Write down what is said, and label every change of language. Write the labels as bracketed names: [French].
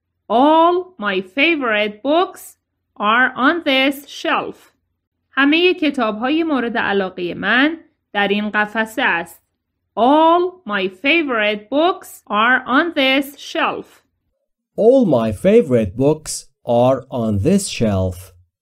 [English] All my favorite books are on this shelf. [Persian] همه کتاب‌های مورد علاقه من در این قفسه است. [English] All my favorite books are on this shelf. All my favorite books are on this shelf.